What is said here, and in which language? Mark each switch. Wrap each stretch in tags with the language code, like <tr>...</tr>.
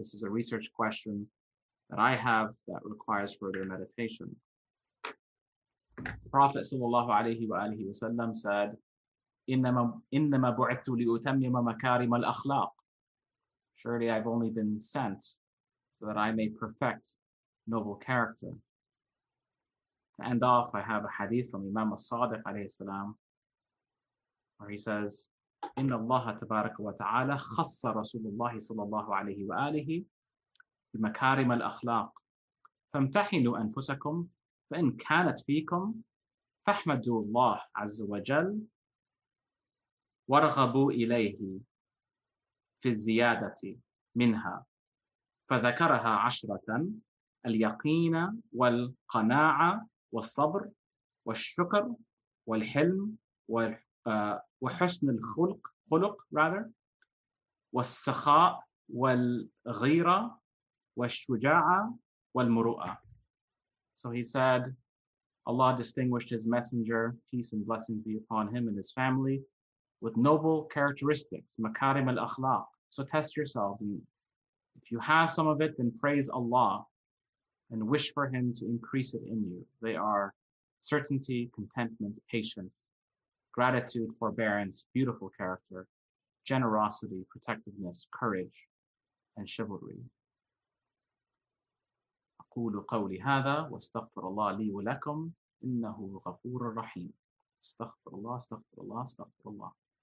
<en>This is a research question that I have that requires further meditation. The Prophet sallallahu alayhi wa alihi wa sallam said,</en> <ar>إِنَّمَا بُعِدْتُ لِأُتَمِّمَ مَكَارِمَ الْأَخْلَاقِ.</ar> <en>Surely I've only been sent so that I may perfect noble character. To end off, I have a hadith from Imam al-Sadiq alayhi salam, where he says,</en> <ar>إِنَّ اللَّهَ تَبَارَكَ وَتَعَالَى خَصَّ رَسُولُ اللَّهِ صَلَى اللَّهُ عَلَيْهِ وَآلِهِ بِمَكَارِمَ الْأَخْلَاقِ فَامْتَحِنُوا أَنفُسَكُمْ فَإِنْ كَانَتْ فِيكُمْ فَأَحْمَدُوا اللَّهَ عَزَّ وَجَلَّ وَرَغَبُوا إِلَيْهِ فِي الزِّيَادَةِ مِنْهَا فَذَكَرَهَا عَشْرَةً الْيَقِينَ وَالْقَنَاعَةَ وَالصَّبْرَ وَالشُّكْرَ وَالْحِلْمَ وحسن الخلق خلق</ar> <en>rather</en> <ar>والسخاء والغيرة والشجاعة والمروءة.</ar> <en>So he said, Allah distinguished his messenger, peace and blessings be upon him and his family, with noble characteristics, makarim al-akhlaq. So test yourselves, and if you have some of it, then praise Allah and wish for him to increase it in you. They are certainty, contentment, patience, gratitude, forbearance, beautiful character, generosity, protectiveness, courage, and chivalry.</en> <ar>أقول قولي هذا واستغفر الله لي ولكم إنه غفور رحيم. استغفر الله, استغفر الله, استغفر الله.</ar>